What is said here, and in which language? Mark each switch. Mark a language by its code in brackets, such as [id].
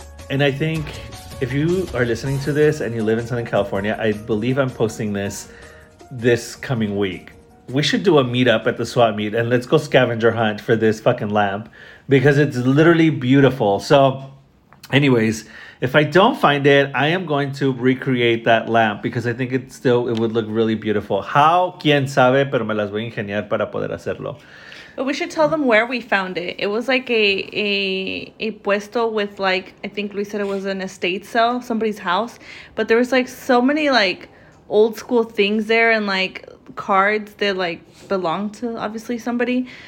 [en] And I think if you are listening to this and you live in Southern California, I believe I'm posting this coming week. We should do a meetup at the swap meet and let's go scavenger hunt for this fucking lamp because it's literally beautiful. So anyways, if I don't find it, I am going to recreate that lamp because I think it would look really beautiful. How? [es] Quién sabe, pero me las voy a ingeniar para poder hacerlo. [en] But we should tell them where we found it. It was like a puesto with like, I think Luis said it was an estate sale, somebody's house. But there was like so many like old school things there and like cards that like belong to obviously somebody.